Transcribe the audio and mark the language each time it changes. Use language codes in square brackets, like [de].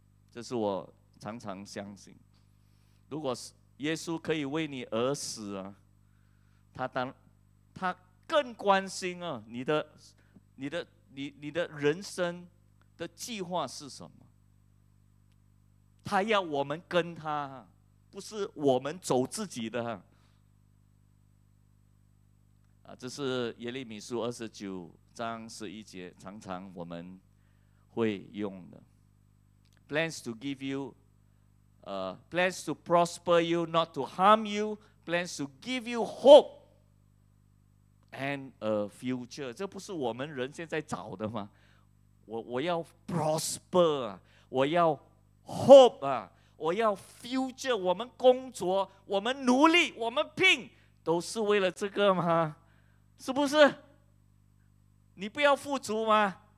[zh] 这是我常常相信，如果耶稣可以为你而死啊，他更关心啊你的人生的计划是什么。他要我们跟他，不是我们走自己的啊。这是耶利米书二十九章十一节，常常我们会用的 [en] plans to give youplans to prosper you, not to harm you, plans to give you hope and a future. [zh] 这不是我们人现在找的吗？我要 prosper, 我要 hope, 我要 future 我们工作，我们努力，我们拼，都是为了这个吗？是不是？你不要富足吗？